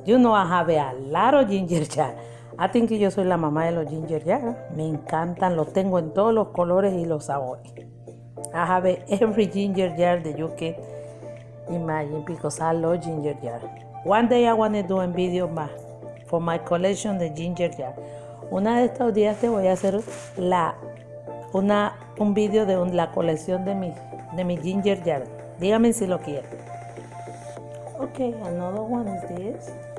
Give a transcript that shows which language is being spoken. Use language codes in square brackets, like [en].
[en] You know I have a lot of ginger jar. I think [es] yo soy la mamá de los ginger jar. Me encantan. Los tengo en todos los colores y los sabores. [en] I have every ginger jar that you can imagine because I love ginger jar. One day I want to do a video más for my collection of ginger jar. [es] Una de estos días te voy a hacer un video de la colección de mi ginger jar. Dígame si lo quieres. [en] Okay, another one is this.